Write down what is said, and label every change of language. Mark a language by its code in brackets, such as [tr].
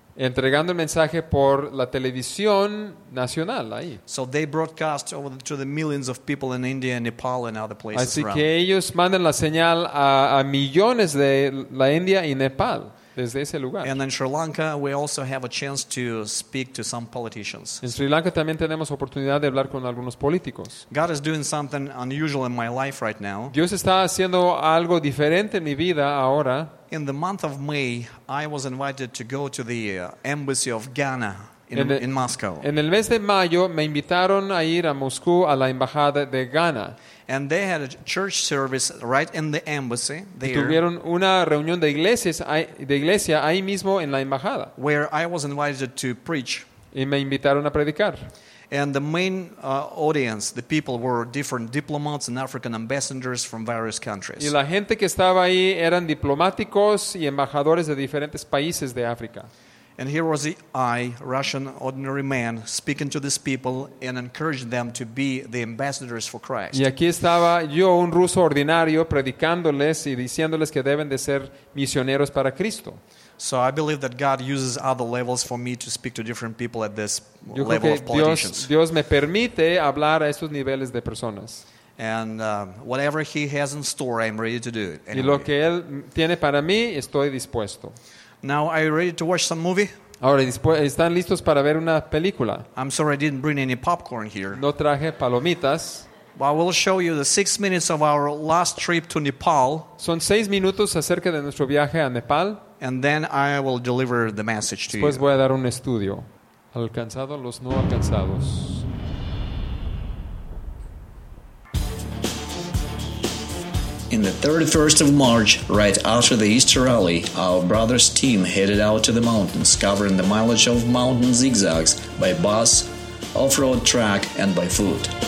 [es] Entregando el mensaje por la televisión nacional ahí. [en] So they broadcast over to the millions of people in India and Nepal and other places. [es] Así que ellos mandan la señal a millones de la India y Nepal desde ese lugar. [en] And in Sri Lanka we also have a chance to speak to some politicians. [es] En Sri Lanka también tenemos oportunidad de hablar con algunos políticos. [en] God is doing something unusual in my life right now. [es] Dios está haciendo algo diferente en mi vida ahora. [en] In the month of May, I was invited to go to the embassy of Ghana in Moscow. [es] En el mes de mayo me invitaron a ir a Moscú a la embajada de Ghana. [en] And they had a church service right in the embassy there. [es] Tuvieron una reunión de iglesia ahí mismo en la embajada. [en] Where I was invited to preach. [es] Y me invitaron a predicar. [en] And the main audience, the people, were different diplomats and African ambassadors from various countries. [es] Y la gente que estaba ahí eran diplomáticos y embajadores de diferentes países de África. [en] And here was I, Russian ordinary man, speaking to these people and encouraging them to be the ambassadors for Christ. [es] Y aquí estaba yo, un ruso ordinario, predicándoles y diciéndoles que deben de ser misioneros para Cristo. [en] So I believe that God uses other levels for me to speak to different people at this [es] Yo [en] level [es] creo que [en] of politicians. [es] Dios me permite hablar a estos niveles de personas. [en] And whatever he has in store, I'm ready to do it. Anyway. [es] Y lo que él tiene para mí, estoy dispuesto. [en] Now, are you ready to watch some movie? [es] Ahora, ¿están listos para ver una película? [en] I'm sorry I didn't bring any popcorn here. [es] No traje palomitas. [en] But I will show you the 6 minutes of our last trip to Nepal. [es] Son 6 minutos acerca de nuestro viaje a Nepal. [en] And then I will deliver the message to [es] Después [en] you. [es] Después voy a dar un estudio. Alcanzado los no alcanzados. [en] In the 31st of March, right after the Easter Rally, our brothers' team headed out to the mountains, covering the mileage of mountain zigzags by bus, off-road track, and by foot.